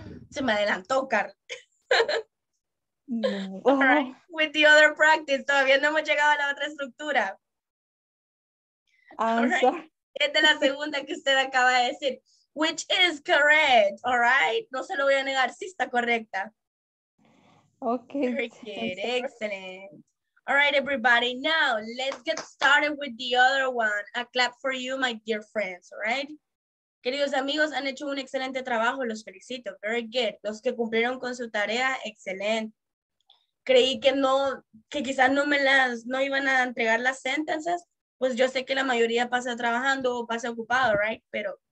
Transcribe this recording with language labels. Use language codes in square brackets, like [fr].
[es] Se me adelantó, Carl. No. [en] All right. With the other practice. [es] Todavía no hemos llegado a la otra estructura. [en] Right. [es] Es de la segunda que usted acaba de decir. [en] Which is correct, all right? [es] No se lo voy a negar, sí está correcta. [en] Okay. Very good, excellent. All right, everybody. Now, let's get started with the other one. A clap for you, my dear friends, all right? [es] Queridos amigos, han hecho un excelente trabajo, los felicito. [en] Very good. [es] Los que cumplieron con su tarea, excelente. Creí que no, que quizás no me las, no iban a entregar las sentences, pues yo sé que la mayoría pasa trabajando o pasa ocupado, right? Pero...